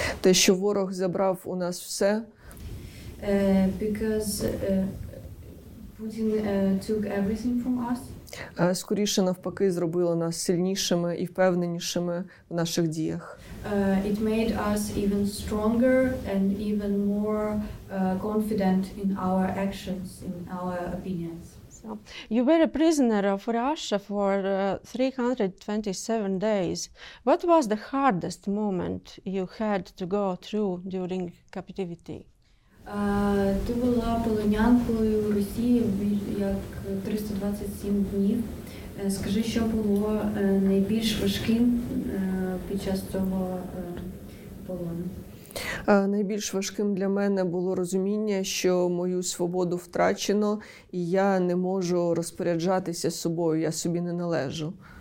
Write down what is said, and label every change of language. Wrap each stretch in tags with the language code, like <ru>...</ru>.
<uk>Те, що ворог забрав у нас все.</uk> <en>Because Putin took everything from us.</en> <uk>Скоріше навпаки зробило нас сильнішими і впевненішими в наших діях.</uk> <en>It made us even stronger and even more confident in our actions, in our opinions. You were a prisoner of Russia for 327 days. What was the hardest moment you had to go through during captivity?</en> <uk>Ти була полонянкою Росії як 327 днів. Скажи, що було найбільш важким під час цього полону? Найбільш важким для мене було розуміння, що мою свободу втрачено, і я не можу розпоряджатися собою, я собі не належу.</uk>